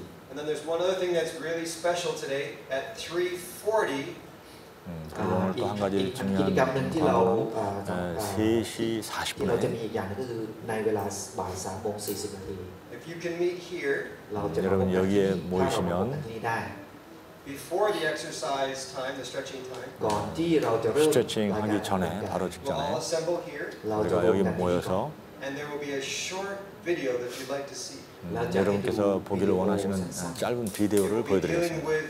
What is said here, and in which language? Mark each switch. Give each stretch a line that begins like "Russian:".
English: And then there's one other thing that's really special today at 3:40.
Korean: 그리고 오늘 또 한 가지 중요한 방법은 3시 40분에
English: If you can meet here,
Korean: 여러분 여기에 모이시면
English: before the exercise time, the stretching time,
Korean: 스트레칭 하기 전에 바로 직전에
English: we'll assemble here,
Korean: 우리가 여기 모여서
English: and there will be a short video that you'd like to see.
Korean: 여러분께서 보기를 원하시는 짧은 비디오를 보여드리겠습니다.